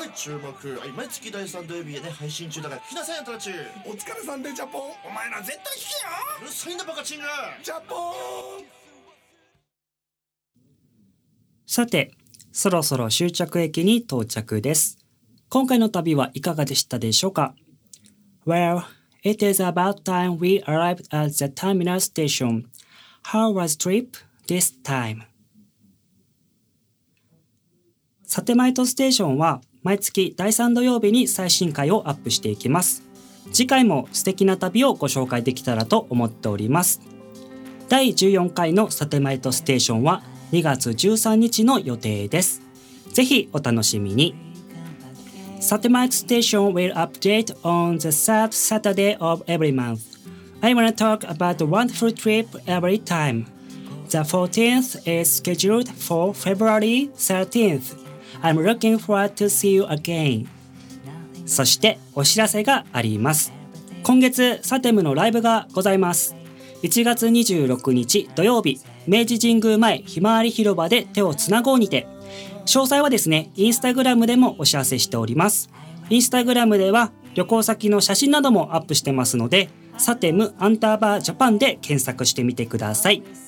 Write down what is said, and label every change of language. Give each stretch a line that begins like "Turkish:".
Japanese: はい注目、はい、毎月第3土曜日で、ね、配信中だから聞きなさいよ、トラチお疲れさんでジャポン、お前ら絶対聞けよ、うるさいんだバカチング、ジャポン。さてそろそろ終着駅に到着です。今回の旅はいかがでしたでしょうか。
English: Well, it is about time we arrived at the terminal station. How was trip this time?
Japanese: サテマイトステーションは毎月第3土曜日に最新回をアップしていきます。次回も素敵な旅をご紹介できたらと思っております。第14回のサテマイトステーションは2月13日の予定です。ぜひお楽しみに。
English: サテマイトステーション will update on the third Saturday of every month. I wanna talk about a wonderful trip every time. The 14th is scheduled for February 13thI'm looking forward to see you again.
Japanese: そしてお知らせがあります。今月サテムのライブがございます。 1月26日土曜日、明治神宮前ひまわり広場で手をつなごうにて。詳細はですねインスタグラムでもお知らせしております。インスタグラムでは旅行先の写真などもアップしてますので、サテムアンダーバージャパンで検索してみてください。